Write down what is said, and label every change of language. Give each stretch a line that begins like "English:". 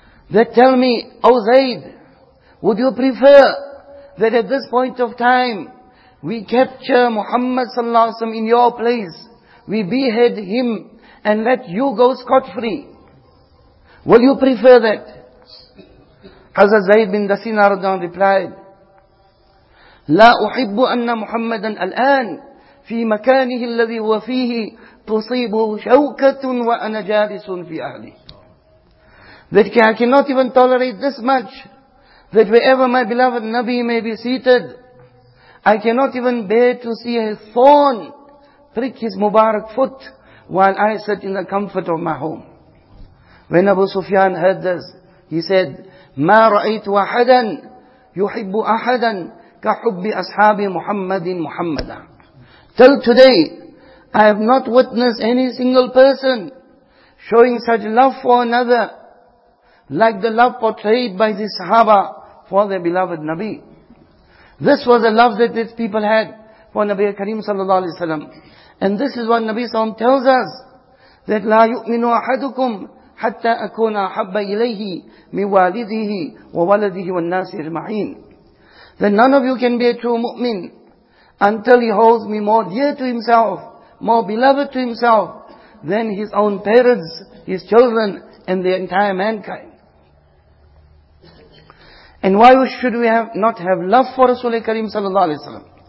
English: That tell me, O Zayd, would you prefer that at this point of time we capture Muhammad sallallahu alaihi wasallam in your place, we behead him and let you go scot-free? Will you prefer that? Hazrat Zayd bin Dathina radhiyallahu anhu replied,
Arabic: لا أحب أن محمدا الآن في مكانه الذي هو فيه تصيبه شوكة وأنا جالس في أهلي.
English: That I cannot even tolerate this much, that wherever my beloved Nabi may be seated, I cannot even bear to see a thorn prick his Mubarak foot while I sit in the comfort of my home. When Abu Sufyan heard this, he said,
Arabic: ما رأيت أحدا يحب أحدا كحب أصحاب محمد محمدا.
English: Till today, I have not witnessed any single person showing such love for another like the love portrayed by the Sahaba for their beloved Nabi. This was the love that these people had for Nabi Kareem sallallahu alaihi wasallam. And this is what Nabi sallallahu alaihi wasallam tells us, that
Arabic: لا يؤمن أحدكم حتى أكون أحب إليه من والده وولده والناس أجمعين.
English: That none of you can be a true mu'min until he holds me more dear to himself, more beloved to himself than his own parents, his children, and the entire mankind. And why should we not have love for Rasulullah Kareem sallallahu alaihi wasallam?